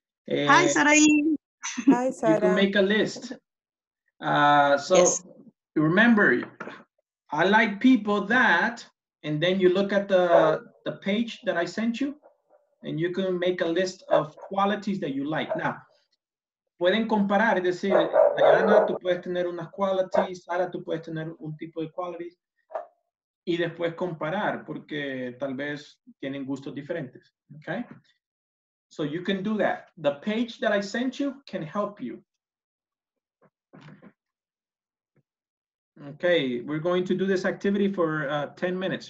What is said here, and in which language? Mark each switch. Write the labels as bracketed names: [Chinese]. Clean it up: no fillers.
[English] Hi, Sarai. Hi, Sara. You can make a list. So yes. Remember, I like people that, and then you look at the page that I sent you, and you can make a list of qualities that you like. Now, [Spanish] pueden comparar, es decir, Diana, tú puedes tener unas qualities, Sara, tú puedes tener un tipo de qualities, y después comparar, porque tal vez tienen gustos diferentes, okay? [English] So you can do that. The page that I sent you can help you. Okay, we're going to do this activity for 10 minutes.